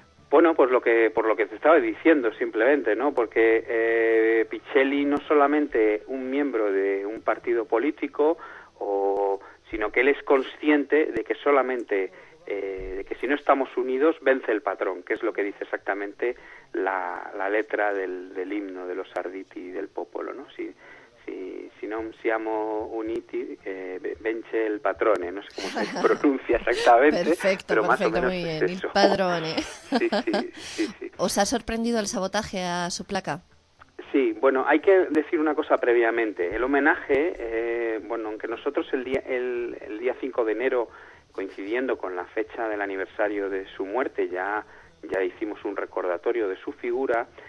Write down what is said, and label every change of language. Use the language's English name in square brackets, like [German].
[Spanish] Bueno, pues por lo que te estaba diciendo simplemente, ¿no? Porque Pichelli no solamente un miembro de un partido político, sino que él es consciente de que solamente de que si no estamos unidos vence el patrón, que es lo que dice exactamente la letra del himno de los Arditi y del Popolo, ¿no? [Italian] Si non siamo uniti, vence il padrone. [Spanish] No sé cómo se pronuncia exactamente. Perfecto, pero perfecto, más o menos muy bien. Es el padrone. Sí, sí, sí, sí. ¿Os ha sorprendido el sabotaje a su placa? Sí, bueno, hay que decir una cosa previamente. El homenaje, bueno, aunque nosotros el día 5 de enero, coincidiendo con la fecha del aniversario de su muerte, ya hicimos un recordatorio de su figura.